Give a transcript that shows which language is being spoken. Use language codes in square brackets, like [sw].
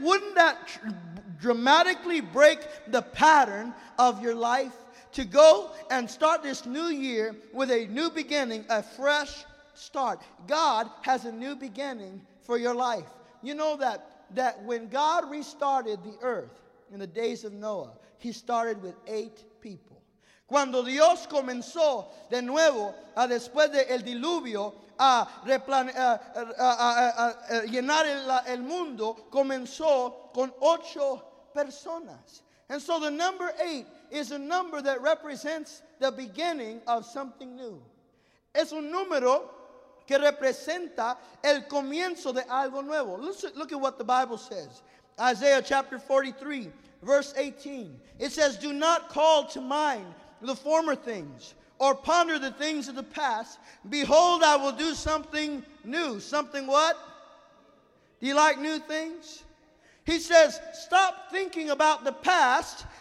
[en] Wouldn't that dramatically break the pattern of your life to go and start this new year with a new beginning, a fresh start? God has a new beginning for your life. You know that when God restarted the earth in the days of Noah, he started with 8 people. [es] Cuando Dios comenzó de nuevo después del diluvio a llenar el mundo, comenzó con 8 personas. [en] And so the number 8 is a number that represents the beginning of something new. [es] Es un número que representa el comienzo de algo nuevo. [en] Look at what the Bible says. Isaiah chapter 43, verse 18. It says, "Do not call to mind the former things, or ponder the things of the past. Behold, I will do something new." Something what? Do you like new things? He says, stop thinking about the past.